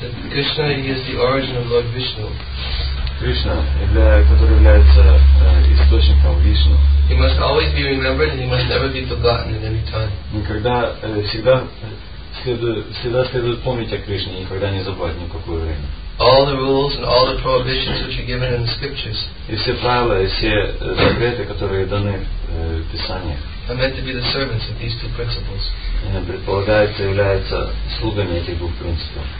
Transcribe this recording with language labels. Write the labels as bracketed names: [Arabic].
[English] Krishna is the origin of Lord Vishnu. [Russian] Krishna, который является источником Вишну. [English] He must always be remembered and he must never be forgotten at any time. [Russian] Никогда, всегда следует помнить о Кришне, никогда не забывать никакое время. [English] All the rules and all the prohibitions which are given in the scriptures. [Russian] И все правила, и все запреты, которые даны в Писаниях. [English] Are meant to be the servants of these two principles. [Russian] Предполагается являются слугами этих двух принципов.